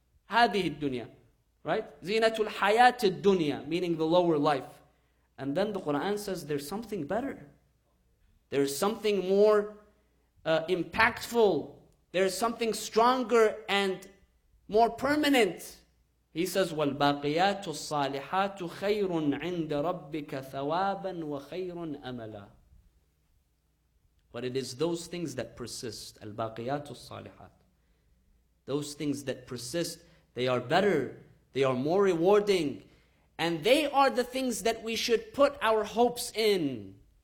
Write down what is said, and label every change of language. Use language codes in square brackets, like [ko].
[ar] هذه الدنيا. [en] Right? [ar] زينة الحياة الدنيا, [en] meaning the lower life. And then the Quran says there's something better. There's something more impactful. There's something stronger and more permanent. He says, [ar] والباقيات الصالحات خير عند ربك ثوابا وخير أملا. [en] But it is those things that persist. [ar] الباقيات الصالحات. [en] Those things that persist, they are better. They are more rewarding. And they are the things that we should put our hopes in.